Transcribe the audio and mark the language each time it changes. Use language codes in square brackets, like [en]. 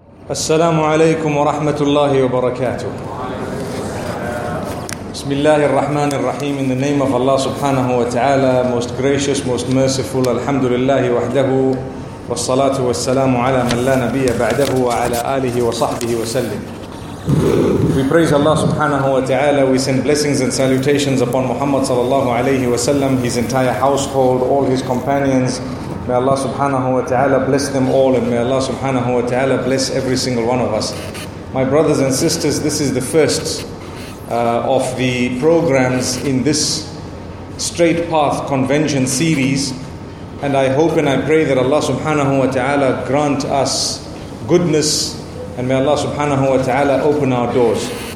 [ar] السلام عليكم ورحمة الله وبركاته. بسم الله الرحمن الرحيم. [en] In the name of Allah سبحانه وتعالى, most gracious, most merciful. [ar] الحمد لله وحده, والصلاة والسلام على من لا نبي بعده وعلى آله وصحبه وسلم. [en] We praise Allah subhanahu wa ta'ala. We send blessings and salutations upon Muhammad sallallahu alayhi wa sallam, his entire household, all his companions. May Allah subhanahu wa ta'ala bless them all, and may Allah subhanahu wa ta'ala bless every single one of us. My brothers and sisters, this is the first of the programs in this Straight Path Convention series, and I hope and I pray that Allah subhanahu wa ta'ala grant us goodness, and may Allah subhanahu wa ta'ala open our doors.